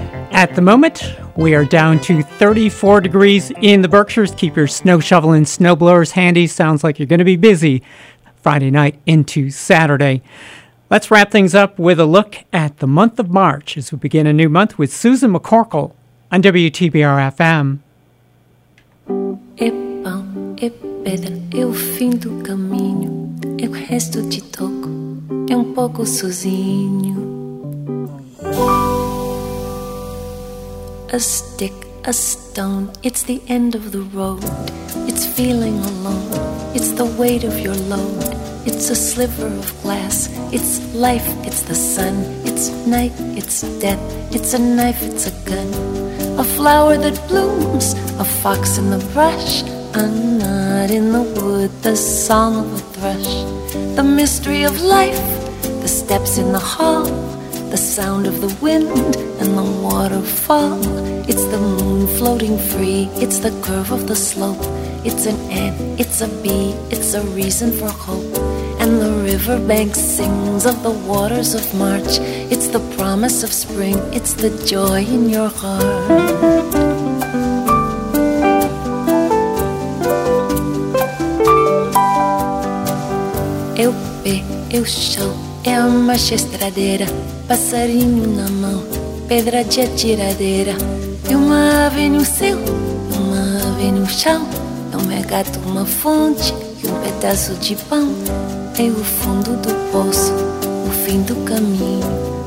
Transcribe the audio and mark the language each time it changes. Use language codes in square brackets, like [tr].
[en] At the moment, we are down to 34 degrees in the Berkshires. Keep your snow shovel and snow blowers handy. Sounds like you're going to be busy Friday night into Saturday. Let's wrap things up with a look at the month of March as we begin a new month with Susan McCorkle on WTBR-FM. [pt] Epa, é pedra, é o fim do caminho. É o resto de toco, é pouco sozinho. [en] A stick, a stone, it's the end of the road. It's feeling alone, it's the weight of your load. It's a sliver of glass, it's life, it's the sun. It's night, it's death, it's a knife, it's a gun. A flower that blooms, a fox in the brush. A knot in the wood, the song of a thrush. The mystery of life, the steps in the hall. The sound of the wind and the waterfall. It's the moon floating free, it's the curve of the slope. It's an ant, it's a bee, it's a reason for hope. And the riverbank sings of the waters of March. It's the promise of spring, it's the joy in your heart. [pt] Eu pé, eu chão, é a marcha estradeira. Passarinho na mão, pedra de atiradeira. E uma ave no céu, uma ave no chão. É um regato, uma fonte e um pedaço de pão. É o fundo do poço, o fim do caminho.